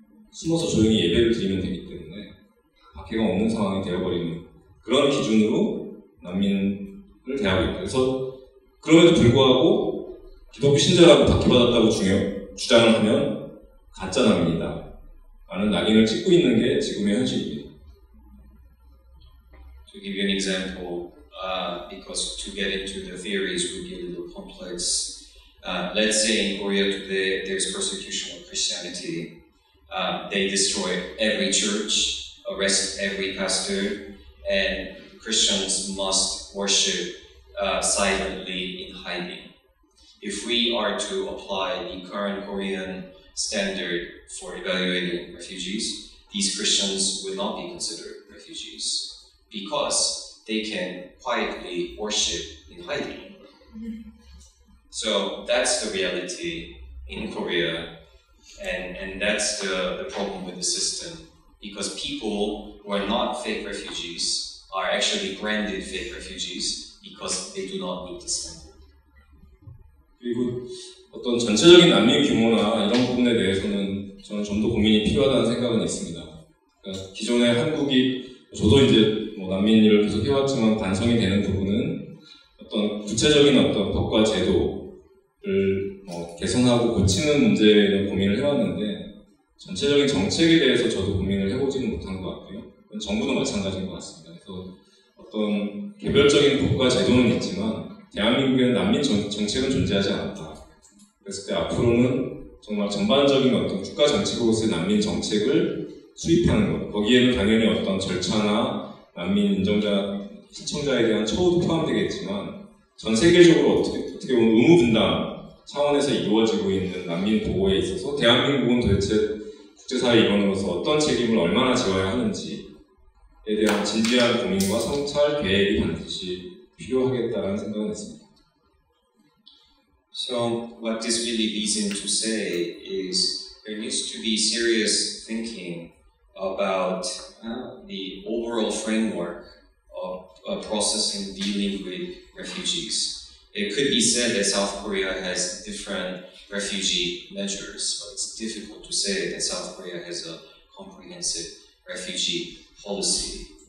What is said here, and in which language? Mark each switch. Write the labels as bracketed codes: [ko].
[ko] 숨어서 조용히 예배를 드리면 되기 때문에 박해가 없는 상황이 되어버리는 그런 기준으로 난민을 대하고 있다. 그래서 그럼에도 불구하고 기독교 신자라고 박해받았다고 주장을 하면 가짜 난민이다 라는 낙인을 찍고 있는 게 지금의 현실입니다. [en] To give you an example, because to get into the theories would be a little complex. Let's say in Korea today there's persecution of Christianity. They destroy every church, arrest every pastor, and Christians must worship silently in hiding. If we are to apply the current Korean standard for evaluating refugees, these Christians would not be considered refugees. Because they can quietly worship in hiding. So that's the reality in Korea, and that's the problem with the system. Because people who are not fake refugees are actually branded fake refugees because they do not meet the standard. [ko] 그리고 어떤 전체적인 난민 규모나 이런 부분에 대해서는 저는 좀 더 고민이 필요하다는 생각은 있습니다. 그러니까 기존의 한국이 저도 이제 뭐 난민 일을 계속 해왔지만 반성이 되는 부분은 어떤 구체적인 어떤 법과 제도를 뭐 개선하고 고치는 문제에 대한 고민을 해왔는데 전체적인 정책에 대해서 저도 고민을 해보지는 못한 것 같고요. 정부도 마찬가지인 것 같습니다. 그래서 어떤 개별적인 법과 제도는 있지만 대한민국에는 난민 정책은 존재하지 않았다. 그랬을 때 앞으로는 정말 전반적인 어떤 국가 정책으로서의 난민 정책을 수입하는 것, 거기에는 당연히 어떤 절차나 난민 인정자, 신청자에 대한 처우도 포함되겠지만 전 세계적으로 어떻게 보면 의무분담 차원에서 이루어지고 있는 난민 보호에 있어서 대한민국은 도대체 국제사회 일원으로서 어떤 책임을 얼마나 지어야 하는지에 대한 진지한 고민과 성찰 계획이 반드시 필요하겠다는 생각은 했습니다. [en] So what this really leads in to say is there needs to be serious thinking about the overall framework of processing dealing with refugees. It could be said that South Korea has different refugee measures, but it's difficult to say that South Korea has a comprehensive refugee policy.